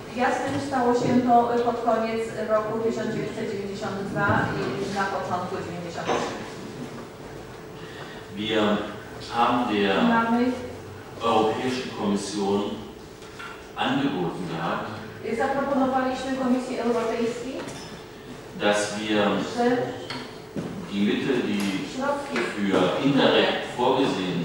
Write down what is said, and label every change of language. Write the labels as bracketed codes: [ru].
[pl] Jasne stało się to pod koniec roku 1992 i na początku 1993. [de] Wir haben der Europäischen Kommission angeboten gehabt, [pl] zaproponowaliśmy Komisji Europejskiej, [de] dass wir die Mittel, die środki für Interreg vorgesehen